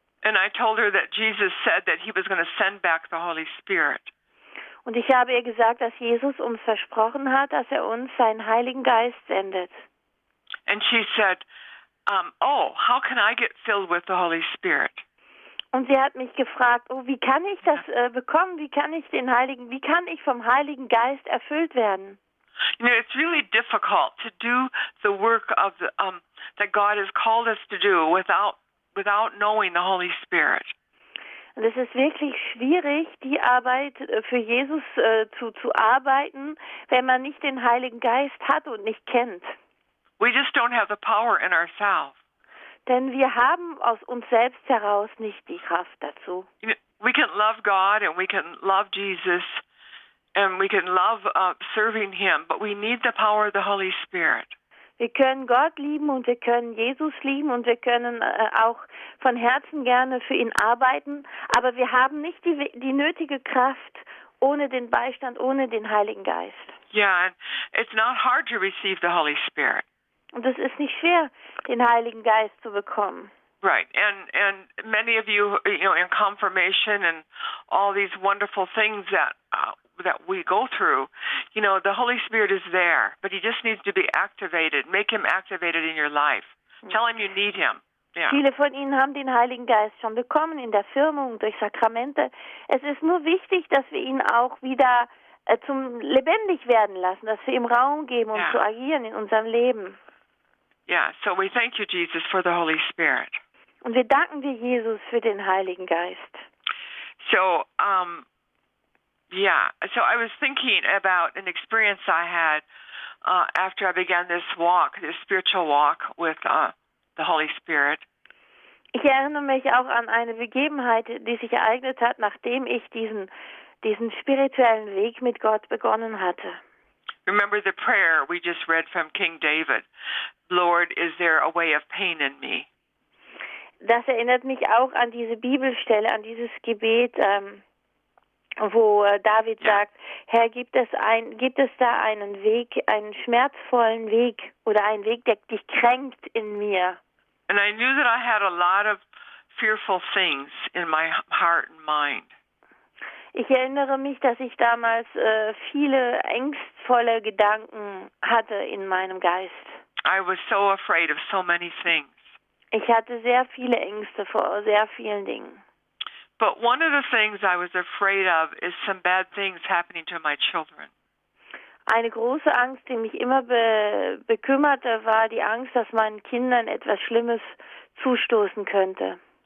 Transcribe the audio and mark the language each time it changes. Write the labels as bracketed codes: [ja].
[en] And I told her that Jesus said that he was going to send back the Holy Spirit. [de] Und ich habe ihr gesagt, dass Jesus uns versprochen hat, dass er uns seinen Heiligen Geist sendet. [en] And she said, how can I get filled with the Holy Spirit? [de] Und sie hat mich gefragt, oh, wie kann ich das bekommen? Wie kann ich vom Heiligen Geist erfüllt werden? [en] You know, it's really difficult to do the work of that God has called us to do without knowing the Holy Spirit. [de] Und es ist wirklich schwierig, die Arbeit für Jesus zu arbeiten, wenn man nicht den Heiligen Geist hat und nicht kennt. [en] We just don't have the power in ourselves. [de] Denn wir haben aus uns selbst heraus nicht die Kraft dazu. [en] We can love God and we can love Jesus and we can love serving him, but we need the power of the Holy Spirit. [de] Wir können Gott lieben und wir können Jesus lieben und wir können auch von Herzen gerne für ihn arbeiten, aber wir haben nicht die nötige Kraft ohne den Beistand, ohne den Heiligen Geist. [en] Yeah, it's not hard to receive the Holy Spirit. [de] Und es ist nicht schwer, den Heiligen Geist zu bekommen. [en] Right, and many of you, you know, in confirmation and all these wonderful things that we go through, you know, the Holy Spirit is there, but he just needs to be activated. Make him activated in your life. Tell him you need him. Yeah. [de] Viele von Ihnen haben den Heiligen Geist schon bekommen in der Firmung, durch Sakramente. Es ist nur wichtig, dass wir ihn auch wieder zum lebendig werden lassen, dass wir ihm Raum geben, um zu agieren in unserem Leben. [en] Yeah, so we thank you, Jesus, for the Holy Spirit. [de] Und wir danken dir, Jesus, für den Heiligen Geist. [en] So, so I was thinking about an experience I had after I began this walk, this spiritual walk with the Holy Spirit. [de] Ich erinnere mich auch an eine Begebenheit, die sich ereignet hat, nachdem ich diesen spirituellen Weg mit Gott begonnen hatte. [en] Remember the prayer we just read from King David. Lord, is there a way of pain in me? [de] Das erinnert mich auch an diese Bibelstelle, an dieses Gebet, wo David sagt, Herr, gibt es da einen Weg, einen schmerzvollen Weg oder einen Weg, der dich kränkt in mir? [en] And I knew that I had a lot of fearful things in my heart and mind. [de] Ich erinnere mich, dass ich damals viele ängstvolle Gedanken hatte in meinem Geist. [en] I was so afraid of so many things. [de] Ich hatte sehr viele Ängste vor sehr vielen Dingen. [en] But one of the things I was afraid of is some bad things happening to my children. [de] Eine große Angst, die mich immer bekümmerte, war die Angst, dass meinen Kindern etwas Schlimmes zustoßen könnte.